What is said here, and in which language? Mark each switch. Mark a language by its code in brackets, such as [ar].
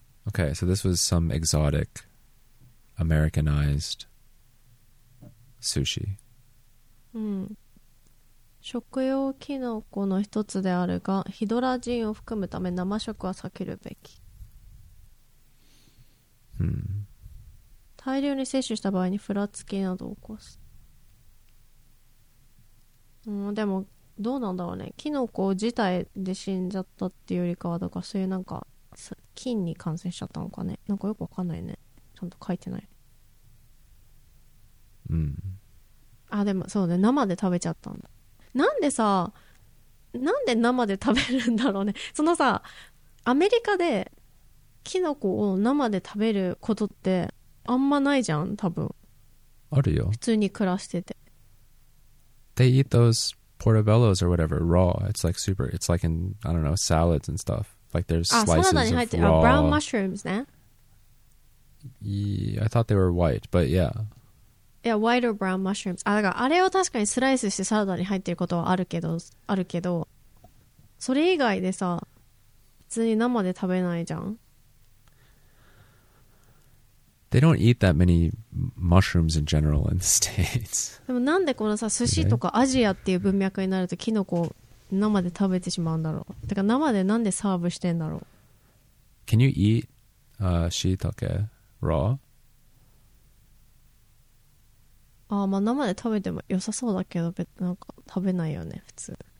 [en] Okay, so this was some exotic Americanized sushi. [ja] 食用キノコの一つであるが、ヒドラジンを含むため生食は避けるべき。大量に摂取した場合にふらつきなどを起こす。でもどうなんだろうね。キノコ自体で死んじゃったっていうよりかは、だからそういうなんか菌に感染しちゃったのかね。なんかよくわかんないね。ちゃんと書いてない。あ、でもそうね。生で食べちゃったんだ。なんでさ、なんで生で食べるんだろうね。そのさ、アメリカでキノコを生で食べることってあんまないじゃん、多分。あるよ。普通に暮らしてて。 [en] They eat those portobellos or whatever raw. It's like super. It's like in, I don't know, salads and stuff. Like there's slices of raw. [ja] あ、 [en] brown mushrooms [ja] ね。 [en] Yeah, I thought they were white, but yeah. [ja] いや、ホワイトブラウンマッシュルームズ。あ、だからあれを確かにスライスしてサラダに入ってることはあるけど、あるけど、それ以外でさ、普通に生で食べないじゃん。 [en] They don't eat that many mushrooms in general in the States. [ja] でもなんでこのさ、寿司とかアジアっていう文脈になるとキノコ生で食べてしまうんだろう。だから生でなんでサーブしてんだろう。 [en] Can you eat shiitake raw? [ja] あ、まあ生で食べても良さそうだけど、なんか食べないよね普通。